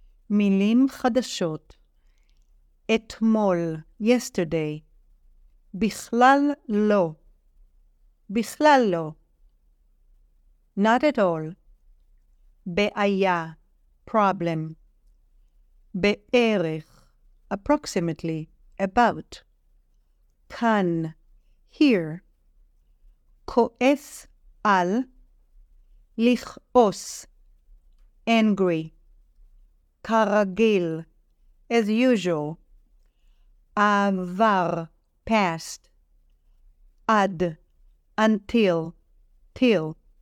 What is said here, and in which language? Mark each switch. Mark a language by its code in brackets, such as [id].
[he] מילים חדשות. אתמול, [en] yesterday. [he] בכלל לא. בכלל לא. [en] Not at all. [he] בעיה, [en] problem. [he] בערך, [en] approximately, about. כאן, here. [he] כועס על, לכעוס, [en] angry. [he] כרגיל, [en] as usual. [he] עבר, [en] past. [he] עד, [en] until, till.